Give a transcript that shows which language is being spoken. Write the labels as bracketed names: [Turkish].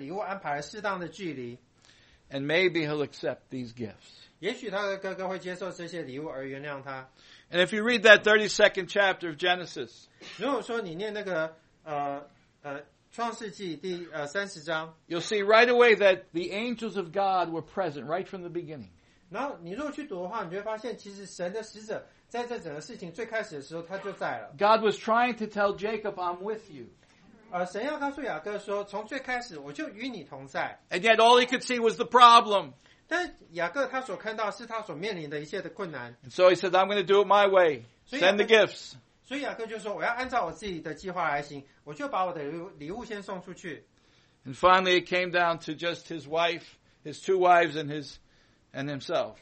[Chinese] 所以雅各他就做了一句话，就说他把他礼物送给他哥哥以扫，而且他把那些送去的礼物安排了适当的距离。 [English] And maybe he'll accept these gifts. [Chinese] 也许他的哥哥会接受这些礼物而原谅他。 [English] And if you read that 32nd chapter of Genesis, [Chinese] 如果说你念那个, 创世纪第30章, [English] you'll see right away that the angels of God were present right from the beginning. [Chinese] 然后你如果去读的话，你会发现，其实神的使者在这整个事情最开始的时候，他就在了。 [English] God was trying to tell Jacob, I'm with you. [Chinese] 神要告诉雅各说，从最开始我就与你同在。 [English] And yet all he could see was the problem. [Chinese] 但雅各他所看到是他所面临的一切的困难。 [English] And so he said, I'm going to do it my way. Send the gifts. [Chinese] 所以雅各就说，我要按照我自己的计划来行，我就把我的礼物先送出去。 [English] And finally it came down to just his wife, his two wives, and his and himself.